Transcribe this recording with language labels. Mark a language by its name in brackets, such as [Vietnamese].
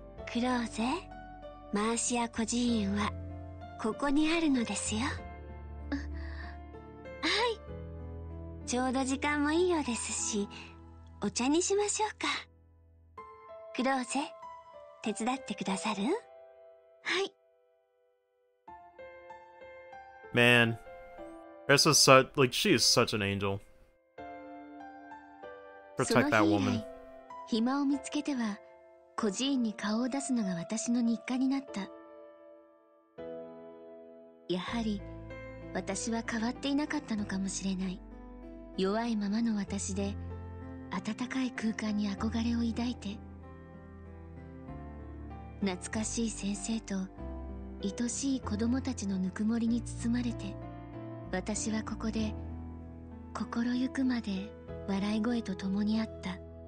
[Japanese] クローゼ、マーシア孤児院はここにあるのですよ。はい、ちょうど時間もいいようですし、お茶にしましょうか。クローゼ、手伝ってくださる？はい。 [English] Man, this is such, like, she is such an angel. Protect that woman. [Japanese] その日以来、暇を見つけては孤児院に顔を出すのが私の日課になった。やはり私は変わっていなかったのかもしれない。弱いままの私で暖かい空間に憧れを抱いて、懐かしい先生と愛しい子供たちのぬくもりに包まれて、私はここで心ゆくまで笑い声と共にあった。